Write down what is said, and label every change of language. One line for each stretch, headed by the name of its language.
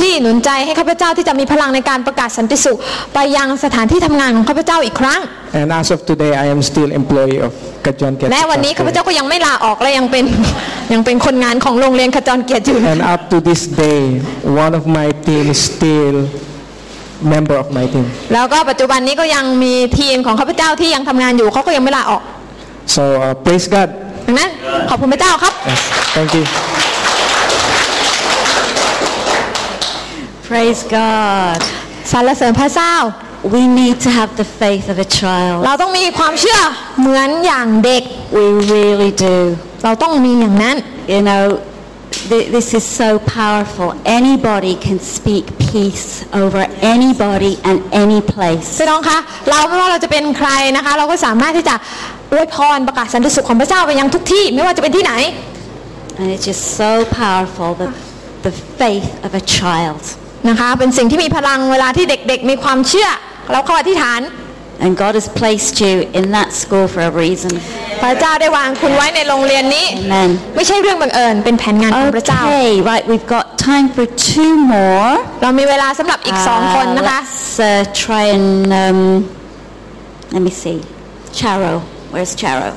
Thai: ที่หนุนใจให้ข้าพเจ้าที่จะมีพลังในการประกาศสันติสุขไปยังสถานที่ทำงานของข้าพเจ้าอีกครั้ง
English: and as of today I am still employee of Kajon Kiat
Thai: และวันนี้ข้าพเจ้าก็ยังไม่ลาออกและยังเป็นคนงานของโรงเรียนขจรเกียรติอยู่
English: and up to this day one of my team is still member of my team
Thai: แล้วก็ปัจจุบันนี้ก็ยังมีทีมของข้าพเจ้าที่ยังทำงานอยู่เขาก็ยังไม่ลาออก
English: so praise God
Thai: นะขอบคุณพระเจ้าครับ
English: Thank you Praise God
Thai: สรรเสริญพระเจ้า
English: We need to have the faith of a child
Thai: เราต้องมีความเชื่อเหมือนอย่างเด็ก
English: We really do
Thai: เราต้องมีอย่างนั้น
English: You know this is so powerful anybody can speak peace over anybody and any place
Thai: พี่น้องคะเราไม่ว่าเราจะเป็นใครนะคะเราก็สามารถที่จะอวยพรประกาศสันติสุขของพระเจ้าไปยังทุกที่ไม่ว่าจะเป็นที่ไหน
English: And it's just so powerful the faith of a child
Thai: นะคะเป็นสิ่งที่มีพลังเวลาที่เด็กๆมีความเชื่อแล้วก็อธิษฐาน
English: And God has placed you in that school for a reason
Thai: พระเจ้าได้วางคุณไว้ในโรงเรียนนี้
English: Amen
Thai: ไม่ใช่เรื่องบังเอิญเป็นแผนงานของพระเจ้า
English: Okay right we've got time for two more
Thai: เรามีเวลาสำหรับอีก2คนนะคะ
English: try and let me see Charo Where's Charo?